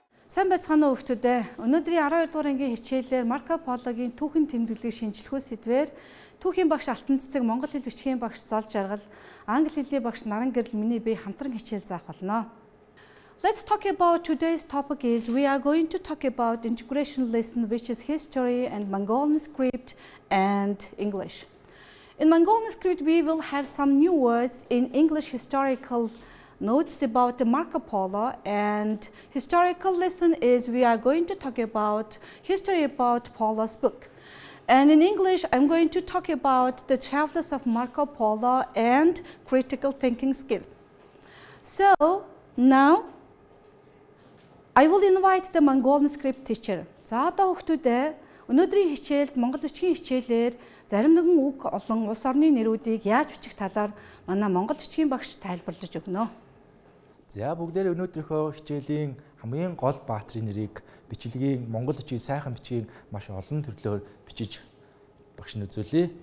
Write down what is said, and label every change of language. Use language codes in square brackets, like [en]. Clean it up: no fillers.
[mn] Сайн байцгаана уу хүүхдүүдээ. Өнөөдрийн 12 дугаар ангийн хичээлээр Марко Пологийн түүхэн тэмдэглэлийг шинжлэхөө сэдвээр түүхийн багш Алтан Цэцэг, Монгол хэл бичгийн багш Зол Жаргал, Англи хэлний багш Наран Гэрэл миний бие хамтран хичээл заах болно. [en] Let's talk about today's topic is we are going to talk about integration lesson which is history and Mongolian script and English. In Mongolian script we will have some new words in English historical notes about the Marco Polo and historical lesson is we are going to talk about history about Polo's book. And in English I'm going to talk about the travels of Marco Polo and critical thinking skill. So now I will invite the Mongolian script teacher. [mn] За одоо хүүхдүүдээ өнөөдрийн хичээлд Монгол бичгийн хичээлээр зарим нэгэн үг олон улс орны нэрүүдийг яаж бичих талаар манай Монгол бичгийн багш тайлбарлаж өгнө. За бүгдээ өнөөдрийнхөө хичээлийн хамгийн гол баатрын нэрийг бичлэгийн Монгол бичгийн сайхан бичгийн маш олон төрлөөр бичиж багш нөөцөлье.